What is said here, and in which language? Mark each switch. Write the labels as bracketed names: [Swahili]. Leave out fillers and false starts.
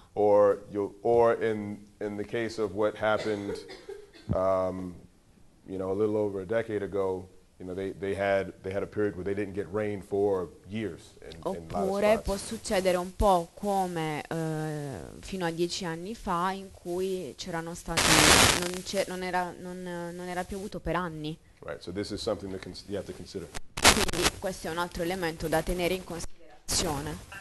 [English] Or in the case of what happened a little over a decade ago, you know, they had a period where they didn't get rain for years [Italian] Oppure può succedere un po' come fino a 10 anni fa in cui c'erano stati non era piovuto per anni. [English] Right, so this is something that you have to consider. [Italian] Quindi questo è un altro elemento da tenere in considerazione.